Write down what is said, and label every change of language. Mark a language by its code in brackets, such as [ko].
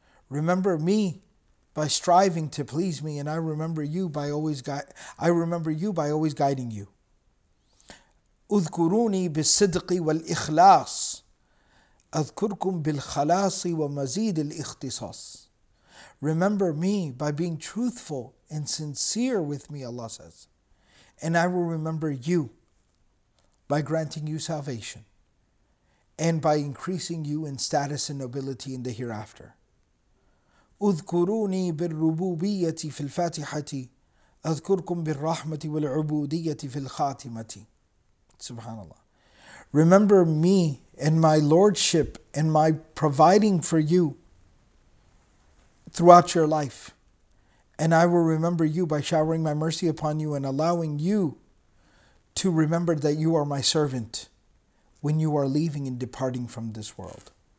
[en] Remember me by striving to please me and I remember you by always guiding you. [ar] اذكروني بالصدق والإخلاص أذكركم بالخلاص ومزيد الاختصاص. [en] Remember me by being truthful and sincere with me, Allah says. And I will remember you by granting you salvation and by increasing you in status and nobility in the hereafter. [ar] أذكروني بالربوبية في الفاتحة أذكركم بالرحمة والعبودية في الخاتمة. Subhanallah. [en] Remember me and my lordship and my providing for you throughout your life. And I will remember you by showering my mercy upon you and allowing you to remember that you are my servant when you are leaving and departing from this world.